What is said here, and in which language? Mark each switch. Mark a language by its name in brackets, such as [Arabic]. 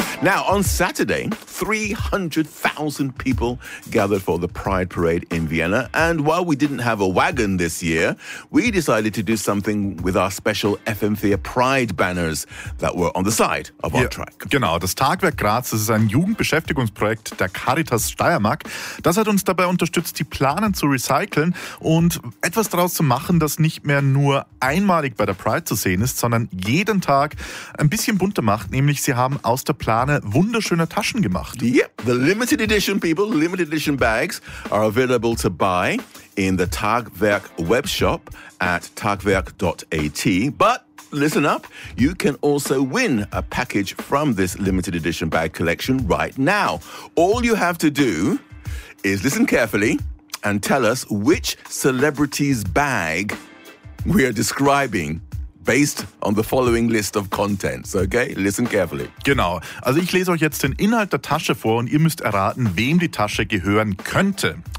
[English] Now, on Saturday, 300,000 people gathered for the Pride Parade in Vienna. And while we didn't have a wagon this year, we decided to do something with our special FM4 Pride Banners that were on the side of our track. [German] Genau, das Tagwerk Graz, das ist ein Jugendbeschäftigungsprojekt der Caritas Steiermark. Das hat uns dabei unterstützt, die Planen zu recyceln und etwas daraus zu machen, das nicht mehr nur einmalig bei der Pride zu sehen ist, sondern jeden Tag ein bisschen bunter macht. Nämlich, sie haben aus der Plane wunderschöne Taschen gemacht. [English] Yep, the limited edition people, limited edition bags are available to buy in the Tagwerk webshop at tagwerk.at. But listen up, you can also win a package from this limited edition bag collection right now. All you have to do is listen carefully and tell us which celebrity's bag we are describing. Based on the following list of contents, okay? Listen carefully. [German] Genau. Also ich lese euch jetzt den Inhalt der Tasche vor und ihr müsst erraten, wem die Tasche gehören könnte.